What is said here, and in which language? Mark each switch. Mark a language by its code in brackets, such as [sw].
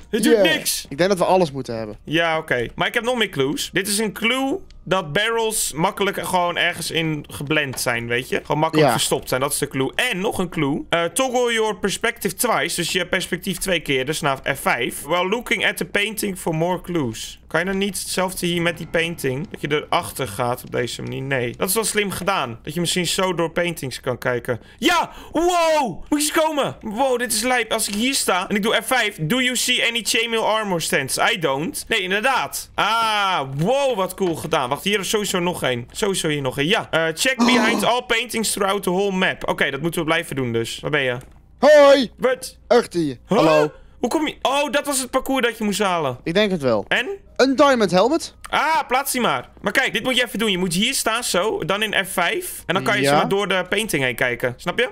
[nl] Het doet niks. Ik denk dat we alles moeten hebben. Ja, oké. Maar ik heb nog meer clues. Dit is een clue... dat barrels makkelijk gewoon ergens in geblend zijn, weet je? Gewoon makkelijk verstopt zijn, dat is de clue. En nog een clue. [en] Toggle your perspective twice, [nl] dus je perspectief twee keer, dus naar F5. [en] While looking at the painting for more clues. [nl] Kan je dan niet hetzelfde hier met die painting? Dat je erachter gaat op deze manier? Nee. Dat is wel slim gedaan. Dat je misschien zo door paintings kan kijken. Ja! Wow! Moet je eens komen? Wow, dit is lijp. Als ik hier sta en ik doe F5. [en] Do you see any chainmail armor stands? I don't. [nl] Nee, inderdaad. Ah, wow, wat cool gedaan. Wacht, hier is sowieso nog één. Sowieso hier nog één. Ja. [en] Check behind all paintings throughout the whole map. [nl] Oké, dat moeten we blijven doen dus. Waar ben je? Hoi! Wat? Achter je. Huh? Hallo. Hoe kom je... Oh, dat was het parcours dat je moest halen. Ik denk het wel. En? Een diamond helmet. Ah, plaats die maar. Maar kijk, dit moet je even doen. Je moet hier staan zo, dan in F5. En dan kan je zomaar door de painting heen kijken. Snap je?